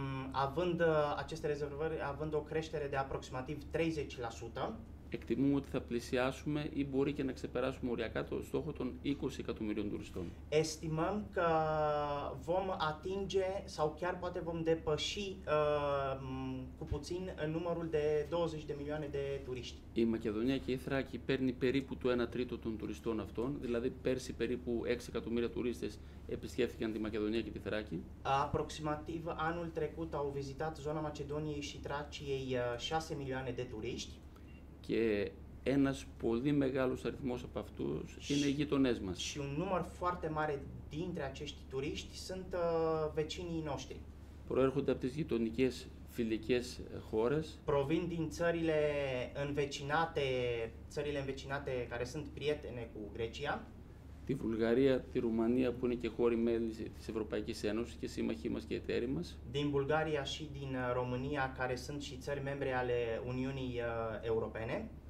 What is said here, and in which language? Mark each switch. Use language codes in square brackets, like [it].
[ro] având aceste rezervări, având o creștere de aproximativ 30%, [el] Εκτιμούμε ότι θα πλησιάσουμε ή μπορεί και να ξεπεράσουμε οριακά το στόχο των 20 εκατομμυρίων τουριστών. [ro] Estimăm că vom atinge sau chiar poate vom depăși cu puțin numărul de 20 de milioane de turiști. [el] Η Μακεδονία και η Θράκη παίρνει περίπου το 1 τρίτο των τουριστών αυτών, δηλαδή πέρσι περίπου 6 εκατομμύρια τουρίστες επισκέφθηκαν τη Μακεδονία και τη Θράκη. [ro] Aproximativ anul trecut au vizitat zona Macedoniei și Traciei 6 milioane de turiști. [el] Και ένας πολύ μεγάλος αριθμός από αυτούς είναι οι γειτονές μας. [ro] Și un număr foarte mare dintre acești turiști sunt vecinii noștri. [el] Προέρχονται από τις γειτονικές φιλικές χώρες. [ro] Provin din țările învecinate, țările învecinate care sunt prietene cu Grecia. [el] Τη Βουλγαρία, τη Ρουμανία που είναι και χώροι μέλη της Ευρωπαϊκής Ένωσης και σύμμαχοί μας και εταίροι μας. [ro] Din Bulgaria și din România care sunt și țări membre ale Uniunii Europene.